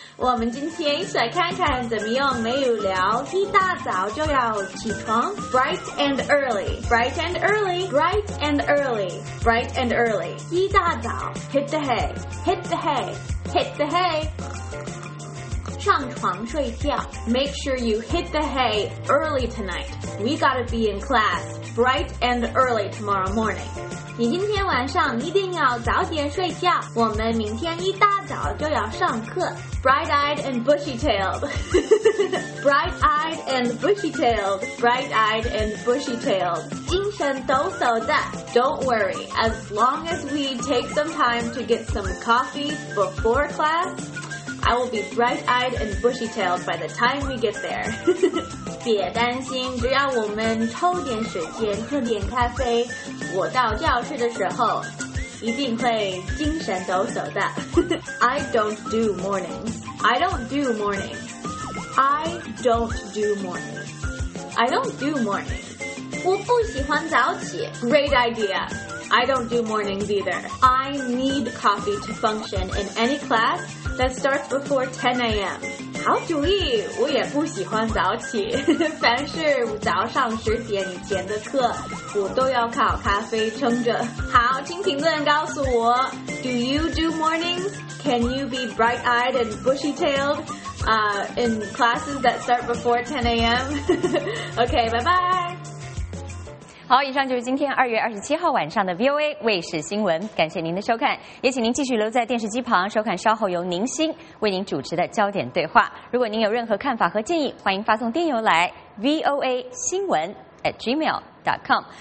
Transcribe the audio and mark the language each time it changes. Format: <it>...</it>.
<zh>我们今天一起来看看怎么用美语聊一大早就要起床。</zh> <en>Bright and early, bright and early, bright and early, bright and early.</en> <zh>一大早</zh> <en>，hit the hay, hit the hay, hit the hay.</en> <zh>上床睡觉</zh> <en>Make sure you hit the hay early tonight. We gotta be in class bright and early tomorrow morning.</en> <zh>你今天晚上一定要早点睡觉，我们明天一大早就要上课。</zh> <en>Bright-eyed and bushy-tailed. Bright-eyed and bushy-tailed. Bright-eyed and bushy-tailed.</en> <zh>精神抖擞的</zh> <en>Don't worry. As long as we take some time to get some coffee before class,I will be bright-eyed and bushy-tailed by the time we get there.</en> <zh>别担心，只要我们抽点时间喝点咖啡，我到教室的时候一定会精神抖擞的。</zh> <en>I don't do mornings. I don't do mornings. I don't do mornings. I don't do mornings.</en> <zh>我不喜欢早起。</zh> <en>Great idea. I don't do mornings either. I need coffee to function in any class that starts before 10 a.m.</en> <zh>好主意，我也不喜欢早起。凡是早上十点以前的课，我都要靠咖啡撑着。好，请评论告诉我 ，</zh> <en>Do you do mornings? Can you be bright-eyed and bushy-tailed, in classes that start before 10 a.m.? Okay, bye bye.</en> <zh>好，以上就是今天2月27号晚上的 VOA 卫视新闻，感谢您的收看，也请您继续留在电视机旁收看稍后由宁馨为您主持的焦点对话。如果您有任何看法和建议，欢迎发送电邮来 voasinwen@gmail.com。</zh>